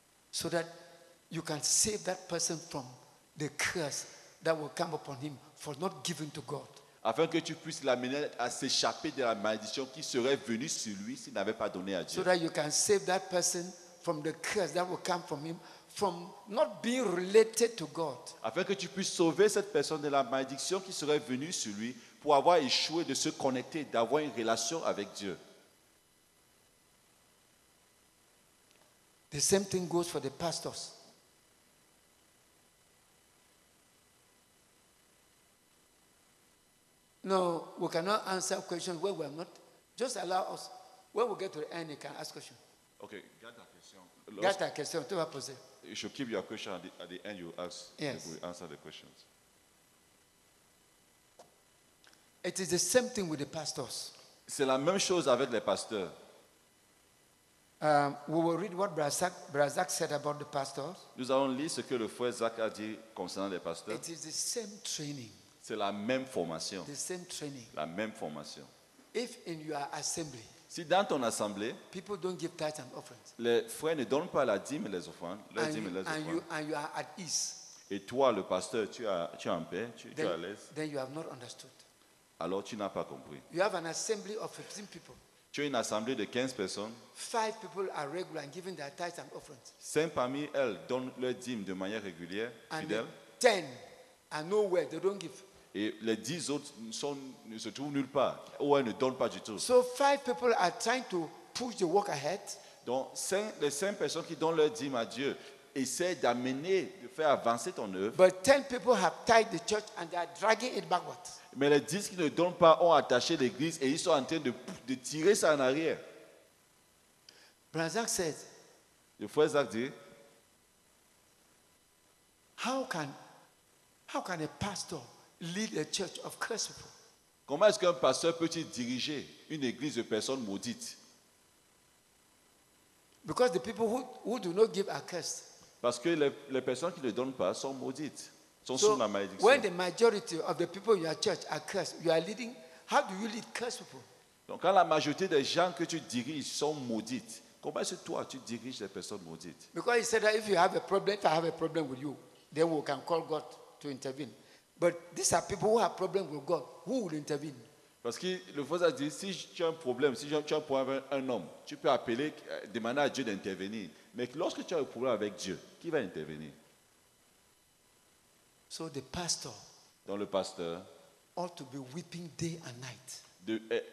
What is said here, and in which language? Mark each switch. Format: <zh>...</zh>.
<en>So that you can save that person from the curse that will come upon him for not giving to God.</en> <fr>Afin que tu puisses l'amener à s'échapper de la malédiction qui serait venue sur lui s'il n'avait pas donné à Dieu.</fr> <en>So that you can save that person from the curse that will come from him from not being related to God.</en> <fr>Afin que tu puisses sauver cette personne de la malédiction qui serait venue sur lui pour avoir échoué de se connecter, d'avoir une relation avec Dieu.</fr> <en>The same thing goes for the pastors. No, we cannot answer questions where we are not. Just allow us. When we get to the end, you can ask questions. Okay, get that question. Get that question. You should keep your question at the end, you ask. Yes. We answer the questions. It is the same thing with the pastors.</en> <fr>C'est la même chose avec les pasteurs.</fr> <en>We will read what Brazak said about the pastors.</en> <fr>Nous allons lire ce que le frère Zach a dit concernant les pasteurs.</fr> <en>It is the same training.</en> <fr>C'est la même formation.</fr> <en>The same training.</en> <fr>La même formation.</fr> <en>If in your assembly,</en> <fr>si dans ton assemblée,</fr> <en>people don't give tithes and offerings,</en> <fr>les frères ne donnent pas la dîme et les offrandes, leur dîme et les offrandes.</fr> <en>And you are at ease.</en> <fr>Et toi, le pasteur, tu es en paix, tu es à l'aise.</fr> <en>Then you have not understood.</en> <fr>Alors tu n'as pas compris.</fr> <en>You have an assembly of 15 people.</en> <fr>Tu as une assemblée de 15 personnes.</fr> <en>5 people are regular and giving their tithes and offerings.</en> <fr>5 parmi elles donnent leur dîme de manière régulière,</fr> <en>and</en> <fr>fidèle.</fr> <en>10 are nowhere, they don't give.</en> <fr>Et les 10 autres ne se trouvent nulle part, ou elles ne donnent pas du tout.</fr> <en>So 5 people are trying to push the work ahead.</en> <fr>Donc les 5 personnes qui donnent leur dîme à Dieu essaient d'amener, de faire avancer ton œuvre.</fr> <en>But 10 people have tied the church and they are dragging it backwards.</en> <fr>Mais les 10 qui ne donnent pas ont attaché l'église et ils sont en train de tirer ça en arrière.</fr> <en>Brazak says,</en> <fr>le frère Zach dit,</fr> <en>How can a pastor lead a church of cursed people?</en> <fr>Comment est-ce qu'un pasteur peut-il diriger une église de personnes maudites?</fr> <en>Because the people who do not give are cursed.</en> <fr>Parce que les personnes qui ne donnent pas sont maudites.</fr> <en>So when the majority of the people in your church are cursed, you are leading. How do you lead cursed people?</en> <fr>Donc, quand la majorité des gens que tu diriges sont maudites, comment est-ce que toi tu diriges les personnes maudites?</fr> <en>Because he said that if you have a problem, if I have a problem with you, then we can call God to intervene. But these are people who have problems with God. Who will intervene?</en> <fr>Parce que le faux a dit, si tu as un problème, si tu as un problème avec un homme, tu peux appeler, demander à Dieu d'intervenir. Mais lorsque tu as un problème avec Dieu, qui va intervenir?</fr> <en>So the pastor,</en> <fr>dans le pasteur,</fr> <en>ought to be weeping day and night.</en>